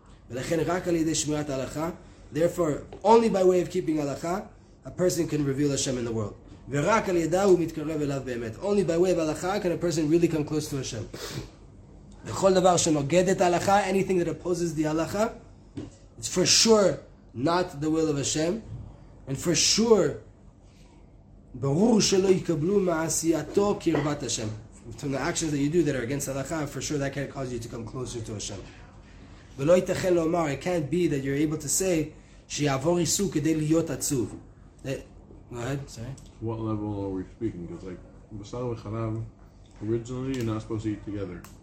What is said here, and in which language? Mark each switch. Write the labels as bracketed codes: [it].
[he] V'lechen rak al yedei shmirat halacha. [en] Therefore, only by way of keeping halacha, a person can reveal Hashem in the world. [he] V'rak al yedahu mitkarev elav be'emet. [en] Only by way of halacha can a person really come close to Hashem. [he] V'chol davar shenogedet halacha, [en] anything that opposes the halacha, it's for sure not the will of Hashem. And for sure, [he] ברור שלא יקבלו מעשייתו קרבת השם. [en] From the actions that you do that are against halacha, for sure that can cause you to come closer to Hashem. [he] ולא ייתכן לומר, [en] it can't be that you're able to say [he] שיעבור איסור כדי להיות עצוב. [en] Go ahead, sorry. What level are we speaking? Because like, בשר וחלב, originally you're not supposed to eat together.